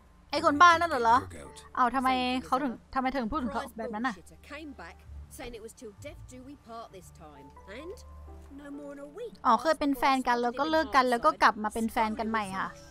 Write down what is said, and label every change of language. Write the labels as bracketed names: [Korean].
[Thai] ไอ้คนบ้านั่นเหรอเอ้าทำไมถึงพูดถึงเขาแบบนั้นน่ะ [English] Came back saying it was till death do we part this time and no more in a week [Thai] อ๋อเคยเป็นแฟนกันแล้วก็เลิกกันแล้วก็กลับมาเป็นแฟนกันใหม่ค่ะ